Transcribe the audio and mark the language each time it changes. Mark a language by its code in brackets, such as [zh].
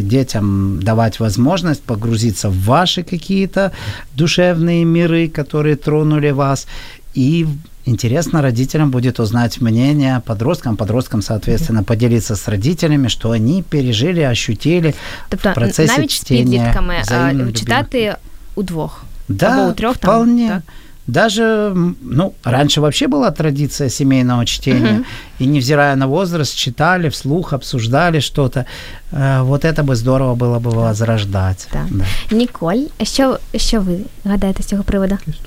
[ru] Детям давать возможность погрузиться в ваши какие-то душевные миры, которые тронули вас, и интересно родителям будет узнать мнение подросткам, соответственно, поделиться с родителями, что они пережили, ощутили в процессе [uk] навіть [ru] чтения. [uk] Тобто навіть з підлітками читати удвох, [ru] да, [uk] або утрьох там. [ru] Вполне. Так. Даже, ну, раньше вообще была традиция семейного чтения, и невзирая на возраст, читали вслух, обсуждали что-то. Вот это бы здорово было бы возрождать. Да. Да. Николь, что вы гадаете с этого привода?